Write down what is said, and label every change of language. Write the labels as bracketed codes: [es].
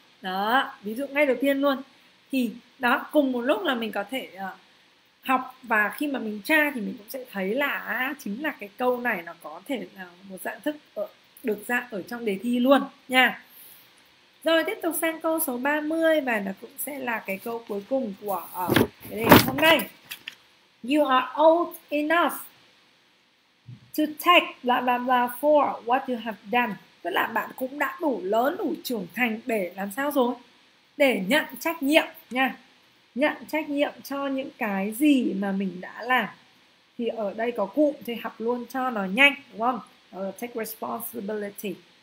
[vi] Đó, ví dụ ngay đầu tiên luôn. Thì đó, cùng một lúc là mình có thể học, và khi mà mình tra thì mình cũng sẽ thấy là chính là cái câu này nó có thể là một dạng thức được ra ở trong đề thi luôn nha. Rồi tiếp tục sang câu số 30 và nó cũng sẽ là cái câu cuối cùng của cái đề hôm nay. [en] You are old enough to take blah blah blah for what you have done. [vi] Tức là bạn cũng đã đủ lớn, đủ trưởng thành để làm sao rồi? Để nhận trách nhiệm nha. Nhận trách nhiệm cho những cái gì mà mình đã làm. Thì ở đây có cụm thì học luôn cho nó nhanh, đúng không? Take responsibility.